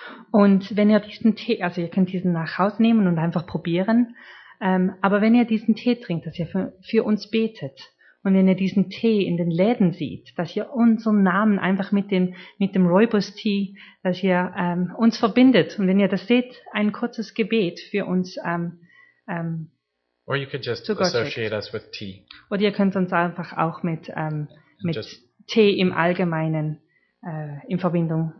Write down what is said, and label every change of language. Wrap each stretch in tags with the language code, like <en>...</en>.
<de>Und wenn ihr diesen Tee, also ihr könnt diesen nach Hause nehmen und einfach probieren, aber wenn ihr diesen Tee trinkt, dass ihr für uns betet, und wenn ihr diesen Tee in den Läden seht, dass ihr unseren Namen einfach mit dem Rooibos-Tee, dass ihr uns verbindet. Und wenn ihr das seht, ein kurzes Gebet für uns</de> <en>Or you could just associate us with tea.</en> <de>Oder ihr könnt uns einfach auch mit Tee im Allgemeinen in Verbindung</de>